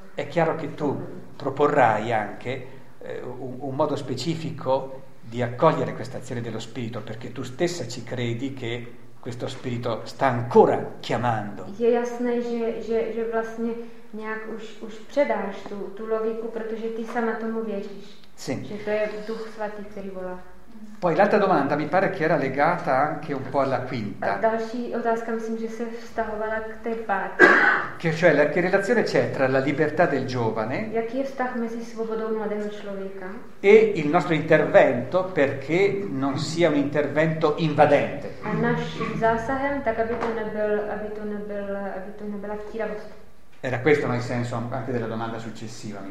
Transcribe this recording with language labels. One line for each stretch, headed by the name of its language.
Italian: È chiaro che tu proporrai anche un modo specifico di accogliere questa azione dello spirito perché tu stessa ci credi che questo spirito sta ancora chiamando.
Czech: Je jasné, že vlastně nějak už předáš tu logiku, protože ty sama tomu věříš.
Italian: Sì.
Czech: Že to je Duch svatý, který volá.
Italian: Poi l'altra domanda mi pare che era legata anche un po' alla quinta.
Czech: Další otázka, myslím, že se vztahovala k té páté.
Italian: Che relazione c'è tra la libertà del giovane?
Czech: Jaký je vztah mezi svobodou mladého člověka?
Italian: E il nostro intervento perché non sia un intervento invadente.
Czech: A naším zásahem, tak aby to nebyla vtíravost.
Italian: Era questo nel senso anche della domanda successiva, mi